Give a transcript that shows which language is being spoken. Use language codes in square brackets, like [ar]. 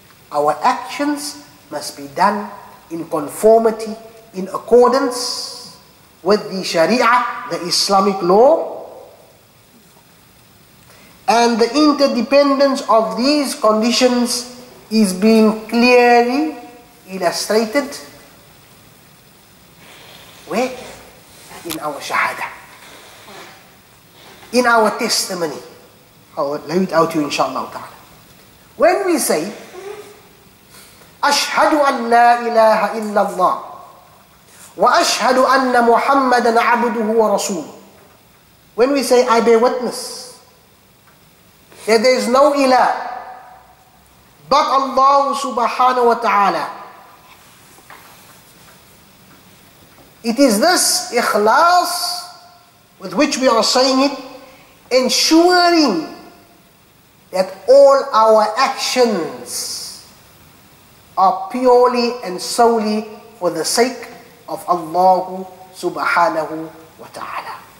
[en] Our actions must be done in conformity, in accordance with the Sharia, the Islamic law, and the interdependence of these conditions is being clearly illustrated where? In our Shahada, in our testimony. I'll lay it out to you inshallah ta'ala. When we say [ar] أشهد أن لا إله إلا الله وأشهد أن محمدا عبده ورسوله. [en] When we say I bear witness that there is no ilah but Allah subhanahu wa ta'ala, it is this ikhlas with which we are saying it, ensuring that all our actions are purely and solely for the sake of Allah subhanahu wa ta'ala.